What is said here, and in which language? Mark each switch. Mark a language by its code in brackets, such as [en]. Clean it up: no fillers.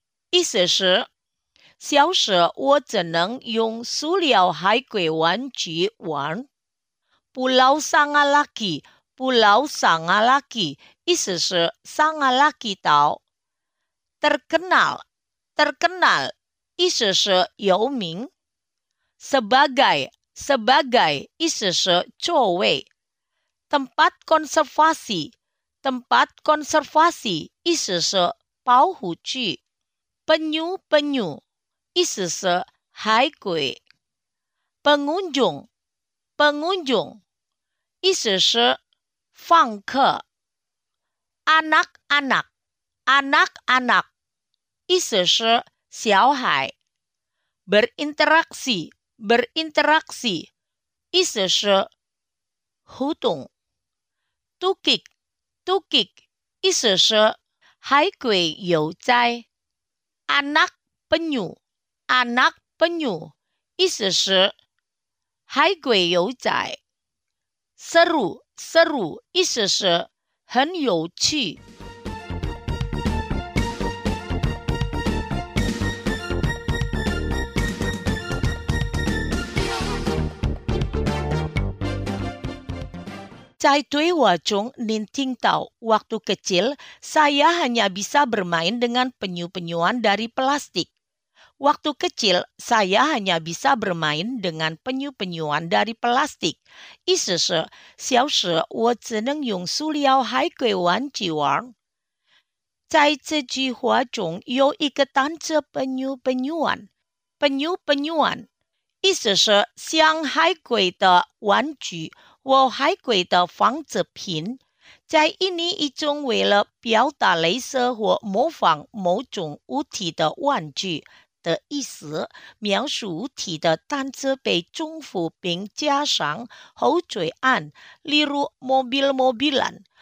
[zh] 意思是，小时我只能用塑料海龟玩具玩。 [id] Pulau Sangalaki, Pulau Sangalaki, [zh] 意思是 Sangalaki 岛。 [id] Terkenal, terkenal, [zh] 意思是有名。 [id] Sebagai, sebagai, [zh] 意思是作为。 [id] Tempat konservasi, tempat konservasi, [zh] 意思是保护区。 [id] Penyu, penyu, [zh] 意思是海龟。 [id] Pengunjung, pengunjung, [zh] 意思是访客。 [id] Anak, anak, anak, anak, [zh] 意思是小孩。 [id] Berinteraksi, berinteraksi, [zh] 意思是互动。 [id] Tukik, tukik, [zh] 意思是海龟游在。 [id] Anak penyu, anak penyu, [zh] 意思是海龟有仔。 [id] Seru, seru, [zh] 意思是很有趣。在对话中您听到 [id] waktu kecil saya hanya bisa bermain dengan penyu-penyuan dari plastik. Waktu kecil saya hanya bisa bermain dengan penyu-penyuan dari plastik. [zh] 意思是小时我只能用塑料海龟玩具玩。在这句话中有一个单词penyu-penyuan. Penyu-penyuan 意思是像海龟的玩具或海龟的仿制品，在印尼一种为了表达类似或模仿某种物体的玩具的意思，描述物体的单词被重复并加上后缀an，例如 mobil-mobilan。